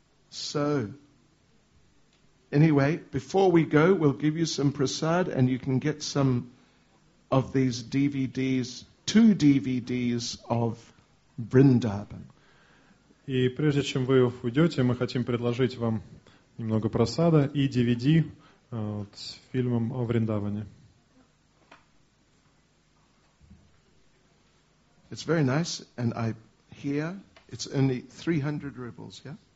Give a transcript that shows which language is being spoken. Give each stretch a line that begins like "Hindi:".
English: So, anyway, before we go, we'll give you some prasad, and you can get some of these DVDs, two DVDs of Vrindavan.
Russian: И прежде чем вы уйдете, мы хотим предложить вам немного прасада и DVD вот, с фильмом о Вриндаване.
English: It's very nice, and I hear it's only 300 rubles, yeah?